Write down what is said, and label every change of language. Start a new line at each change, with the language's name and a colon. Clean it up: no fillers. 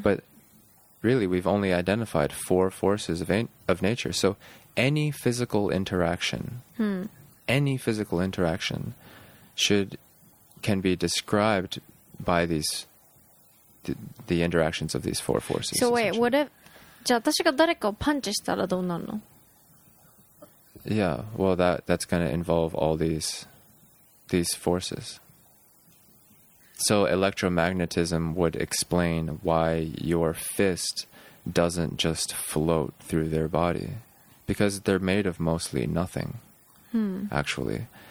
English: But really, we've only identified 4 forces of nature. So any physical interaction, any physical interaction can be described by the interactions of these 4 forces. So wait, what if...
Japanese: じゃあ私が誰かをパンチしたらどうなるの?
English: Yeah, well, that's going to involve all these forces. So electromagnetism would explain why your fist doesn't just float through their body, because they're made of mostly nothing, actually.